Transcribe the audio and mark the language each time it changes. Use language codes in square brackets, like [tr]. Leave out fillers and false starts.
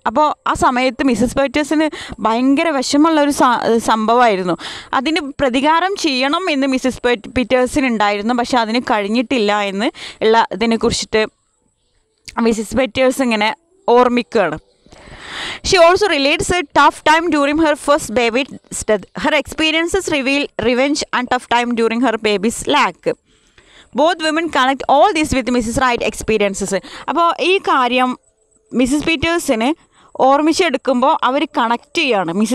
[ml] അപ്പോൾ ആ സമയത്ത് മിസ്സിസ് പീറ്റേഴ്സിന് ഭയങ്കര വിഷമമുള്ളൊരു സംഭവമായിരുന്നു. അതിന് പ്രതികാരം ചെയ്യണം എന്ന് മിസ്സിസ് പീറ്റേഴ്സിനുണ്ടായിരുന്നു, പക്ഷേ അതിന് കഴിഞ്ഞിട്ടില്ല എന്ന് ഉള്ള ഇതിനെക്കുറിച്ചിട്ട് മിസ്സിസ് പീറ്റേഴ്സ് ഇങ്ങനെ ഓർമ്മിക്കുകയാണ്. [en] She also relates a tough time during her first baby's death. Her experiences reveal revenge and tough time during her baby's lack. Both women connect all this with Mrs. Wright's experiences. [ml] അപ്പോൾ ഈ കാര്യം Mrs പീറ്റേഴ്സിന് ഓർമ്മിച്ചെടുക്കുമ്പോൾ അവർ connect ചെയ്യുകയാണ്.